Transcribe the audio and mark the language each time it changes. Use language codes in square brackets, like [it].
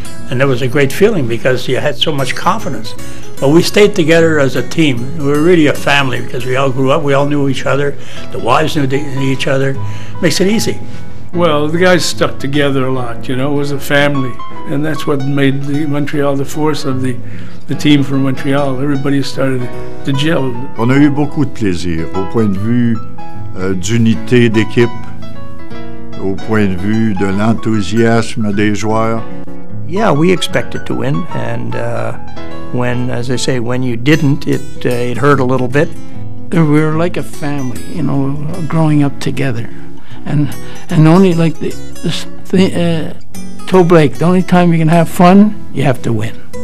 [en] And it was a great feeling because you had so much confidence. But we stayed together as a team. We were really a family because we all grew up, we all knew each other, the wives knew each other. Makes it easy. Well, the guys stuck together a lot, you know, it was a family. And that's what made the Montreal the force of the team from Montreal. Everybody started to gel. [fr] On a eu beaucoup de plaisir au point de vue d'unité d'équipe, au point de vue de l'enthousiasme des joueurs. [en] Yeah, we expected to win, and when, as I say, when you didn't, it hurt a little bit. We were like a family, you know, growing up together. And only like Toe Blake, the only time you can have fun, you have to win.